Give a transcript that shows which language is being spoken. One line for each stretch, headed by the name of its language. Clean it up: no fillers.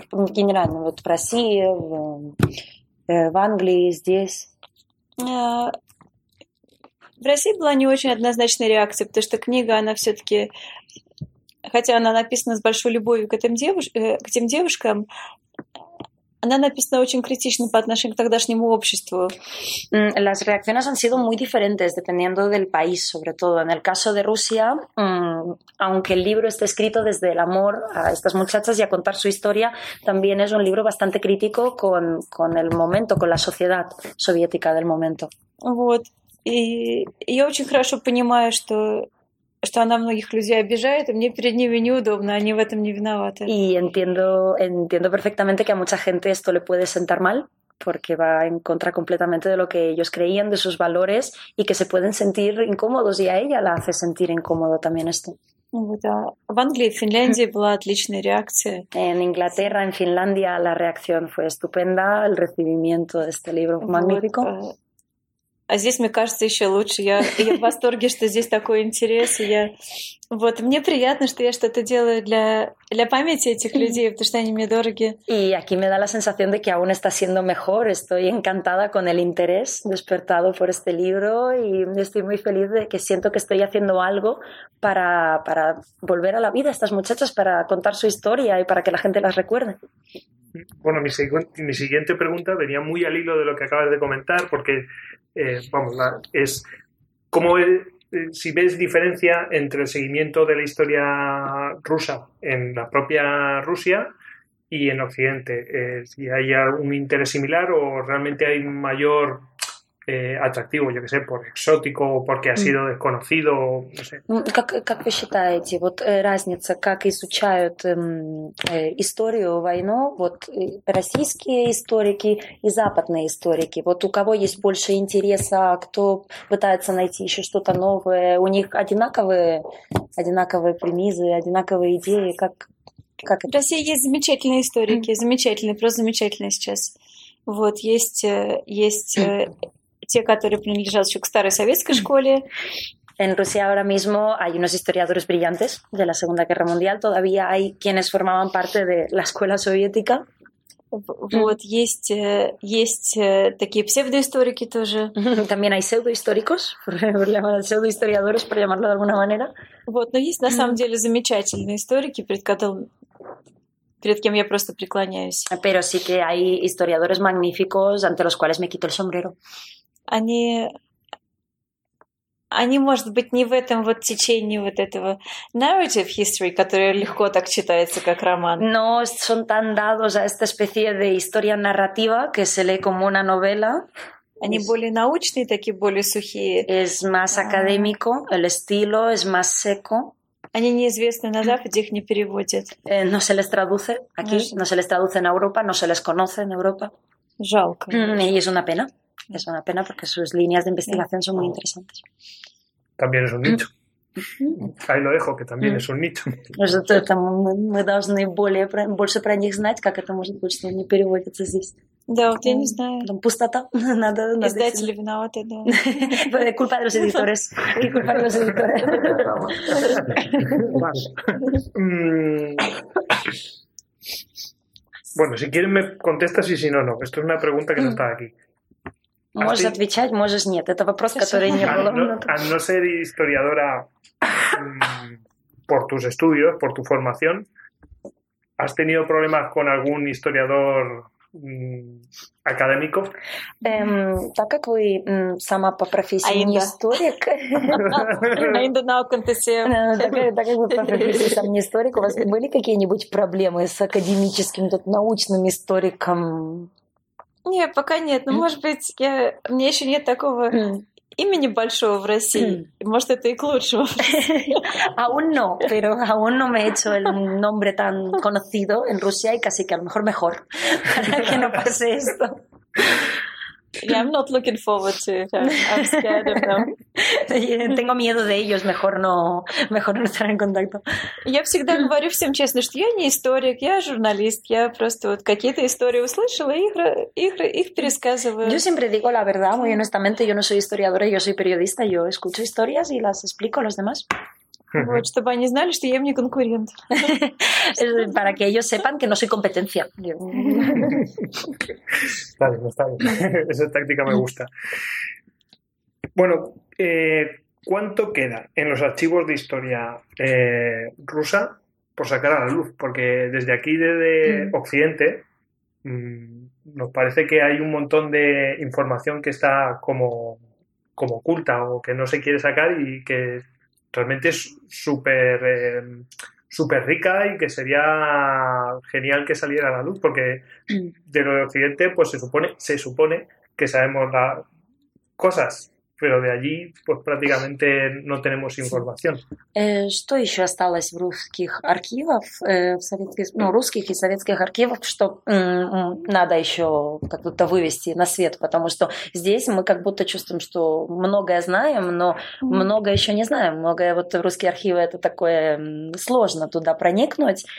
Russian: Ну, генерально, вот в России, в Англии, здесь? В России была не очень однозначная реакция, потому что книга, она все-таки... Хотя она написана с большой любовью к этим девушкам, она написана очень критично по отношению к тогдашнему обществу.
Spanish: Las reacciones han sido muy diferentes dependiendo del país, sobre todo en el caso de Rusia, aunque el libro esté escrito desde el amor a estas muchachas y a contar su historia, también es un libro bastante crítico con el momento, con la sociedad soviética del momento.
Russian: Вот. И я очень хорошо понимаю, что она многих людей обижает, и мне перед ними неудобно, они в этом не виноваты.
Spanish: И entiendo perfectamente que a mucha gente esto le puede sentar mal, porque va en contra completamente de lo que ellos creían, de sus valores, y que se pueden sentir incómodos, y a ella la hace sentir incómodo también esto.
Russian: Да. В Англии, в Финляндии была отличная реакция.
Spanish: En Inglaterra, en Finlandia, la reacción fue estupenda, el recibimiento de este libro fue magnífico.
Russian: А здесь, мне кажется, еще лучше. Я в восторге, что здесь такой интерес. Вот, мне приятно, что я что-то делаю для памяти этих людей, потому что они мне дороги.
Spanish: И aquí me da la sensación de que aún está siendo mejor. Estoy encantada con el interés despertado por este libro y estoy muy feliz de que siento que estoy haciendo algo para volver a la vida a estas muchachas, para contar su historia y para que la gente las recuerde. Bueno, mi siguiente pregunta venía muy al hilo de lo que acabas de comentar, porque es cómo si ves diferencia entre el seguimiento de la historia rusa en la propia Rusia y en Occidente, si hay algún interés similar o realmente hay mayor
Russian: атрактиво, я не знаю,
Spanish: por exótico, porque ha sido desconocido, no sé.
Russian: Как вы считаете, вот разница, как изучают историю, войну, вот российские историки и западные историки, вот у кого есть больше интереса, кто пытается найти еще что-то новое, у них одинаковые премизы, одинаковые идеи, как это? В России есть замечательные историки, замечательные, просто замечательные сейчас. Вот, есть те, которые принадлежат еще к старой советской школе.
Spanish: En Rusia ahora mismo hay unos historiadores brillantes de la Segunda Guerra Mundial. Todavía hay quienes formaban parte de la escuela soviética.
Russian: Вот, есть такие псевдоисторики тоже.
Spanish: También hay pseudohistóricos, pseudohistoriadores, por llamarlo de alguna manera.
Russian: Вот, но есть на самом деле замечательные историки, перед кем я просто преклоняюсь.
Spanish: Pero sí que hay historiadores magníficos ante los cuales me quito el sombrero.
Russian: Они, может быть, не в этом вот течении вот этого
English: narrative history,
Russian: которое легко так читается, как роман.
Spanish: No son tan dados a esta especie de historia narrativa que se lee como una novela.
Russian: Они более научные, такие более сухие.
Spanish: Es más académico, el estilo es más seco.
Russian: Они неизвестны на Западе, их не переводят.
Spanish: No se les traduce aquí, no se les traduce en Europa, no se les conoce en Europa.
Russian: Жалко.
Spanish: Y es una pena. Es una pena porque sus líneas de investigación son muy interesantes. También es un nicho. Ahí lo dejo, que también es un nicho. Nosotros también
Russian: мы должны больше про них знать, как это может быть, что они переводятся здесь. Да, вот я не знаю. Там пустота. Надо издатели виноваты, да.
Spanish: Culpa de los editores. Culpa de los editores. Bueno, si quieren me contestas y si no, no. Esto es una pregunta que no está aquí.
Russian: Можешь отвечать, можешь нет. Это вопрос, который не было.
Spanish: A no ser historiadora por tus estudios, por tu formación, ¿has tenido problemas con algún historiador académico?
Russian: Так как вы сама по профессии не историк,
Portuguese: ainda não aconteceu.
Russian: Так как вы по профессии сам не историк, у вас были какие-нибудь проблемы с академическим, научным историком? Не, пока нет. Но, может быть, мне еще нет такого имени большого в России. Может, это и к лучшему.
Spanish: Aún no, pero aún no me he hecho el nombre tan conocido en Rusia y casi que a lo mejor mejor para que no pase esto.
English: Yeah, I'm not looking forward to I'm scared of them.
Spanish: Tengo miedo de ellos, mejor no estar en contacto.
Russian: Я всегда говорю всем честно, что я не историк, я журналист, я просто вот какие-то истории услышала и их пересказываю.
Spanish: Yo siempre digo la verdad, muy honestamente, yo no soy historiadora, yo soy periodista, yo escucho historias y las explico a los demás.
Russian: Вот, чтобы они знали, что я им не конкурент.
Spanish: Para que ellos sepan que no soy competencia. Vale, no está bien. Esa táctica me gusta. Bueno, ¿cuánto queda en los archivos de historia rusa por sacar a la luz? Porque desde aquí, desde Occidente, nos parece que hay un montón de información que está como oculta o que no se quiere sacar y que realmente es súper súper rica y que sería genial que saliera a la luz, porque de lo de Occidente pues se supone que sabemos las cosas, pero de allí pues prácticamente no tenemos información.
Russian: Что еще осталось в русских архивах, в советских, ну, русских и советских архивах, что надо еще как будто вывести на свет, потому что здесь мы как будто чувствуем, что многое знаем, но многое еще не знаем. Многое вот в русские архивы это такое сложно туда проникнуть.